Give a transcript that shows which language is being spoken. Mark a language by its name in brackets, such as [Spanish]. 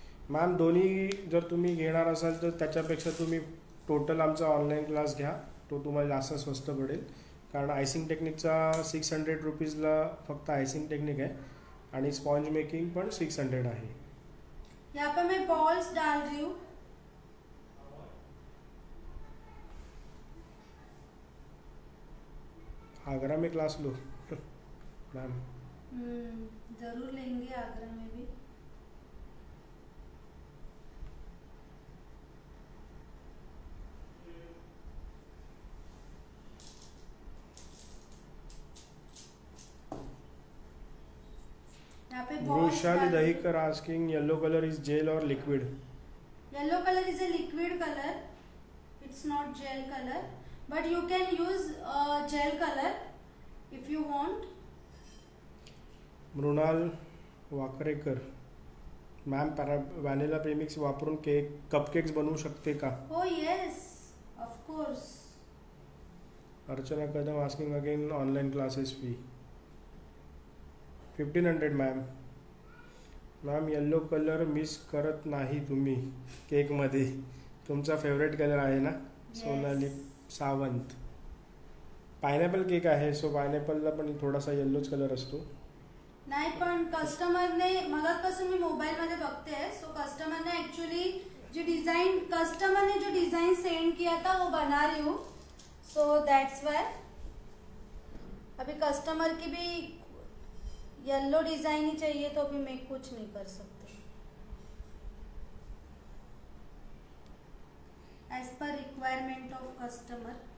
[Marathi] Ma'am दोन्ही जर तुम्ही घेणार असाल तर त्याच्यापेक्षा तुम्ही टोटल आमचा ऑनलाईन क्लास घ्या, तो तुम्हाला जास्त स्वस्त पडेल। कारण आयसिंग टेक्निकचा 600 रुपीजला फक्त आयसिंग टेक्निक आहे आणि स्पॉन्ज मेकिंग पण 600 आहे। [Hindi] या पे मैं बॉल्स डाल रही हूं। आगरा में क्लास लो मैम। जरूर लेंगे आगरा में भी। [English] Vrushali Dahikar asking yellow colour is gel और liquid. Yellow colour is a liquid colour, it's not gel colour, but you can use gel colour if you want. [Marathi] Mrinal वाकरेकर, ma'am vanilla premix वापरून cake cupcakes बनवू शकते का? [English] हो yes of course. Archana Kadam asking again online classes fee 1500 ma'am. [Marathi] Ma'am yellow colour miss करत नाही तुम्ही cake मध्ये, तुमचा फेवरेट कलर आहे ना? सोनाली सावंत, पाइनएपल केक आहे सो पाइनएपल ला पण थोडासा येलोच कलर असतो. नाही पण कस्टमरने मगापासून मी मोबाईल मध्ये बघते सो कस्टमरने ऍक्च्युली जी डिझाईन कस्टमरने [Hindi] जो डिझाईन सेंड किया था वो बना रही हूँ [English] So that's why. [Hindi] अभी कस्टमर की भी येलो डिजाइन ही चाहिए तो अभी मैं कुछ नहीं कर सकती as per requirement of customer.